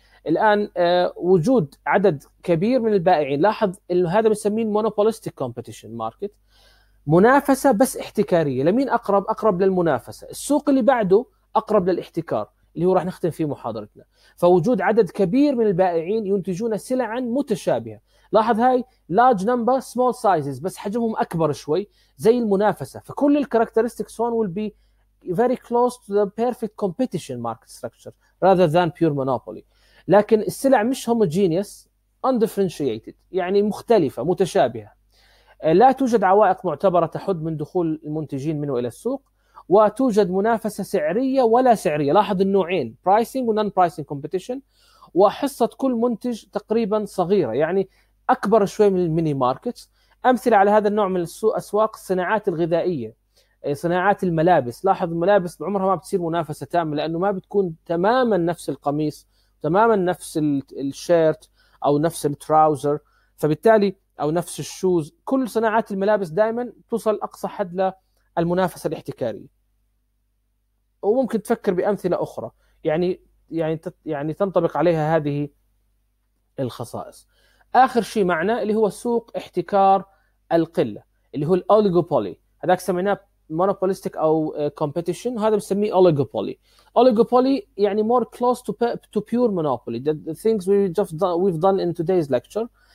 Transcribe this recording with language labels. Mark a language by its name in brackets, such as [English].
[Arabic] الآن وجود عدد كبير من البائعين، لاحظ هذا بنسميه [English] monopolistic competition market، [Arabic] منافسة بس احتكارية. لمين أقرب؟ أقرب للمنافسة. السوق اللي بعده أقرب للاحتكار، اللي هو راح نختم فيه محاضرتنا. فوجود عدد كبير من البائعين ينتجون سلعا متشابهة، لاحظ هاي [English] large number small sizes [Arabic] بس حجمهم أكبر شوي، زي المنافسة. فكل الكاركترستيكس هون [English] will be very close to the perfect competition market structure rather than pure monopoly. [Arabic] لكن السلع مش [English] homogeneous, undifferentiated، [Arabic] يعني مختلفة متشابهة. لا توجد عوائق معتبرة تحد من دخول المنتجين منه إلى السوق، وتوجد منافسة سعرية ولا سعرية. لاحظ النوعين pricing و [English] non-pricing competition، [Arabic] وحصة كل منتج تقريبا صغيرة، يعني أكبر شوي من الميني ماركتس. أمثلة على هذا النوع من السوق أسواق الصناعات الغذائية، صناعات الملابس. لاحظ الملابس بعمرها ما بتصير منافسة تامة، لأنه ما بتكون تماما نفس القميص، تماما نفس الشيرت أو نفس التراوزر، فبالتالي أو نفس الشوز. كل صناعات الملابس دائما توصل أقصى حد للمنافسة الاحتكارية. وممكن تفكر بأمثلة أخرى يعني تنطبق عليها هذه الخصائص. آخر شيء معنا اللي هو سوق احتكار القلة، اللي هو الأوليغوبولي. هذاك سميناه monopolistic أو competition، هذا بسميه أوليغوبولي. أوليغوبولي يعني [English] more close to pure monopoly, the things we've done in today's lecture.